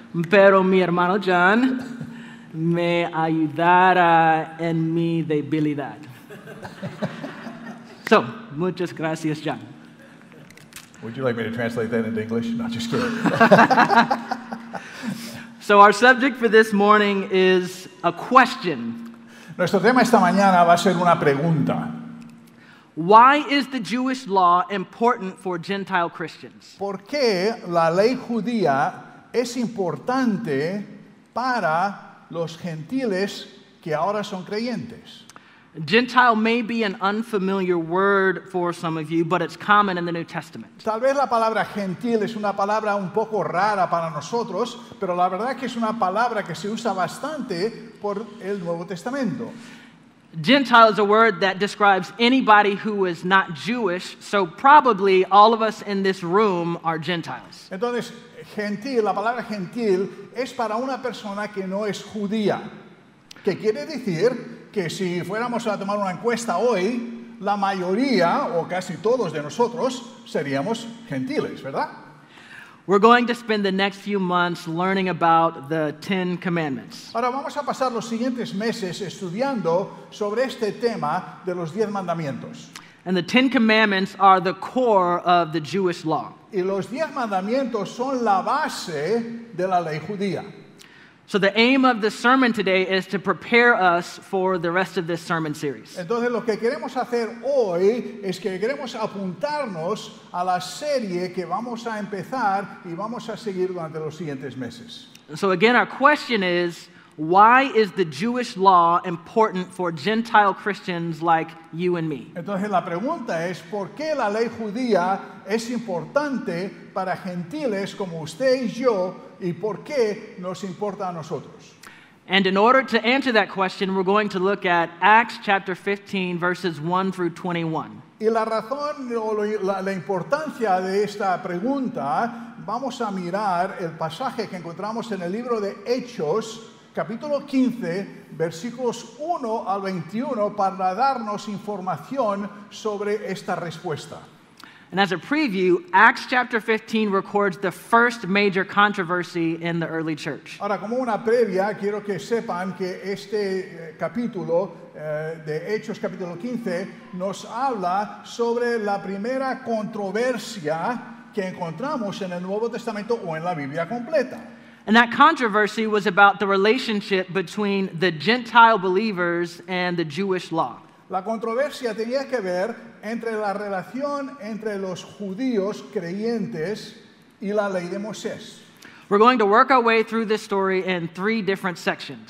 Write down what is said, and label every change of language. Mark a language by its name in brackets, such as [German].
[Spanish] Pero mi hermano John me ayudará en mi debilidad. So, muchas gracias, John. [English] Would you like me to translate that into English? No, just kidding. So, our subject for this morning is a question. [Spanish] Nuestro tema esta mañana va a ser una pregunta. [English] Why is the Jewish law important for Gentile Christians? [Spanish] ¿Por qué la ley judía es importante para los gentiles que ahora son creyentes? [English] Gentile may be an unfamiliar word for some of you, but it's common in the New Testament. [Spanish] Tal vez la palabra gentil es una palabra un poco rara para nosotros, pero la verdad es que es una palabra que se usa bastante por el Nuevo Testamento. Gentile is a word that describes anybody who is not Jewish, so probably all of us in this room are Gentiles. Entonces, gentil, la palabra gentil es para una persona que no es judía. ¿Qué quiere decir? Que si fuéramos a tomar una encuesta hoy, la mayoría o casi todos de nosotros seríamos gentiles, ¿verdad? [English] We're going to spend the next few months learning about the Ten Commandments. [Spanish] Ahora vamos a pasar los siguientes meses estudiando sobre este tema de los 10 mandamientos. [English] And the Ten Commandments are the core of the Jewish law. [Spanish] Y los 10 mandamientos son la base de la ley judía. [English] So the aim of the sermon today is to prepare us for the rest of this sermon series. [Spanish] Entonces lo que queremos hacer hoy es que queremos apuntarnos a la serie que vamos a empezar y vamos a seguir durante los siguientes meses. [English] So again, our question is, why is the Jewish law important for Gentile Christians like you and me? [Spanish] Entonces la pregunta es, ¿por qué la ley judía es importante para gentiles como usted y yo? ¿Y por qué nos importa a nosotros? [English] And in order to answer that question, we're going to look at Acts chapter 15, verses 1 through 21. [Spanish] Y la razón o la importancia de esta pregunta, vamos a mirar el pasaje que encontramos en el libro de Hechos, capítulo 15, versículos 1 al 21, para darnos información sobre esta respuesta. [English] And as a preview, Acts chapter 15 records the first major controversy in the early church. [Spanish] Ahora, como una previa, quiero que sepan que este capítulo de Hechos capítulo 15 nos habla sobre la primera controversia que encontramos en el Nuevo Testamento o en la Biblia completa. [English] And that controversy was about the relationship between the Gentile believers and the Jewish law. [Spanish] La controversia tenía que ver entre la relación entre los judíos creyentes y la ley de Moisés. [English] We're going to work our way through this story in three different sections.